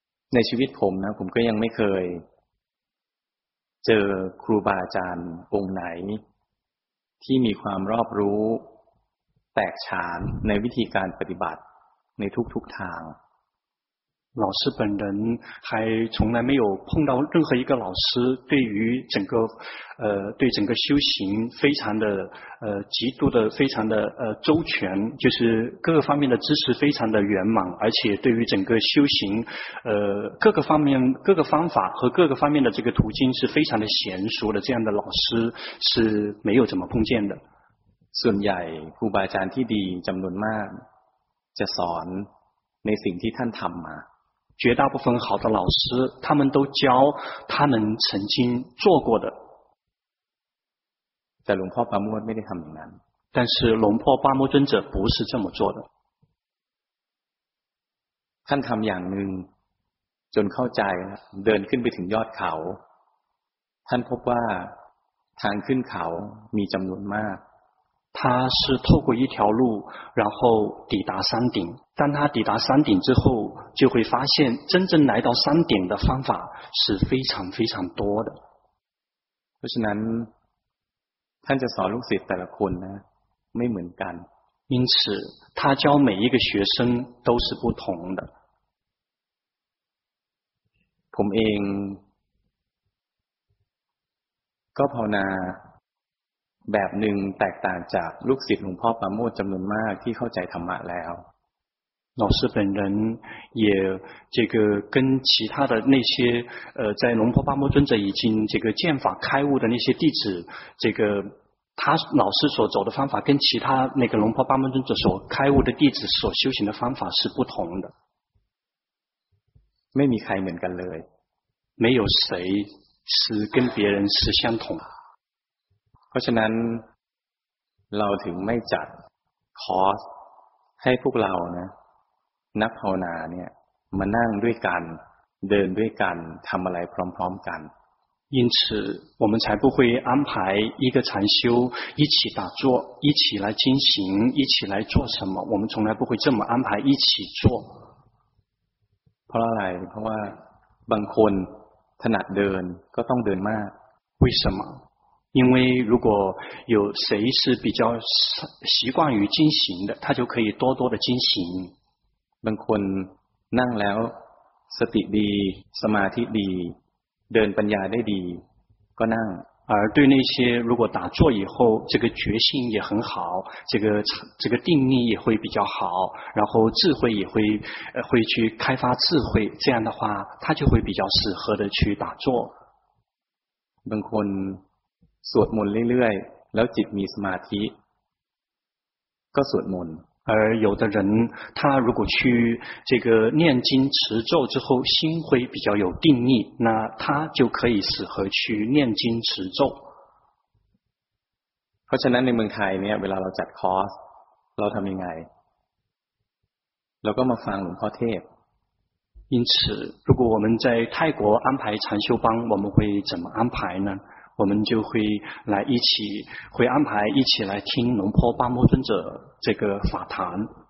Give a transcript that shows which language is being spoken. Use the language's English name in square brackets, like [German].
[Thai] ในชีวิตผมนะผมก็ยังไม่เคยเจอครูบาอาจารย์องค์ไหนที่มีความรอบรู้แตกฉานในวิธีการปฏิบัติในทุกทาง [Chinese] 老师本人还从来没有碰到任何一个老师对于整个对整个修行非常的极度的非常的周全，就是各个方面的知识非常的圆满，而且对于整个修行各个方面各个方法和各个方面的这个途径是非常的娴熟的，这样的老师是没有怎么碰见的。 [Thai] ส่วนใหญ่ครูบาอาจารย์ที่ดีจำนวนมากจะสอนในสิ่งที่ท่านทำมา [Chinese] 绝大部分好的老师他们都教他们曾经做过的。 [Thai] แต่หลวงพ่อปาโมทย์ไม่ได้ทำอย่างนั้น [Chinese] 但是龙婆巴摩尊者不是这么做的。 [Thai] ท่านทำอย่างหนึ่งจนเข้าใจเดินขึ้นไปถึงยอดเขาท่านพบว่าทางขึ้นเขามีจำนวนมาก [Chinese] 他是透过一条路然后抵达山顶，当他抵达山顶之后就会发现真正来到山顶的方法是非常非常多的。 [Thai] เพราะฉะนั้นท่านจะสอนลูกศิษย์แต่ละคนนะไม่เหมือนกัน [Chinese] 因此他教每一个学生都是不同的。 [Thai] ผมเองก็ภาวนาแบบหนึ่งแตกต่างจากลูกศิษย์หลวงพ่อปราโมทย์จำนวนมากที่เข้าใจธรรมะแล้ว [Chinese] 老师本人也这个跟其他的那些在龙婆巴摩尊者已经这个见法开悟的那些弟子，这个他老师所走的方法跟其他那个龙婆巴摩尊者所开悟的弟子所修行的方法是不同的。 [Thai] ไม่มีใครเหมือนกันเลย [Chinese] 没有谁是跟别人是相同的。 [Thai] เพราะฉะนั้นเราถึงไม่จัดคอร์สให้พวกเรานะนักภาวนาเนี่ยมานั่งด้วยกันเดินด้วยกันทำอะไรพร้อมๆกัน [Chinese] 因此我们才不会安排一个禅修一起打坐一起来进行一起来做什么我们从来不会这么安排一起做 [Thai] เพราะอะไรเพราะว่าบางคนถนัดเดินก็ต้องเดินมาก [Chinese] 为什么因为如果有谁是比较习惯于进行的他就可以多多的进行 [Thai] บางคนนั่งแล้วสติดีสมาธิดีเดินปัญญาได้ดีก็นั่ง [Chinese] 而对那些如果打坐以后这个觉性也很好这个定力也会比较好然后智慧也会会去开发智慧这样的话他就会比较适合的去打坐 [Thai] บางคนสวดมนต์เรื่อยๆแล้วจิตมีสมาธิก็สวดมนต์ [Chinese] 而有的人他如果去这个念经持咒之后心会比较有定力那他就可以适合去念经持咒 [Thai] เพราะฉะนั้นในเมืองไทยเนี่ยเวลาเราจัดคอร์สเราทำยังไงเราก็มาฟังหลวงพ่อเทพ [Chinese] 因此如果我们在泰国安排禅修班我们会怎么安排呢我们就会来一起会安排一起来听龙婆巴摩尊者这个法谈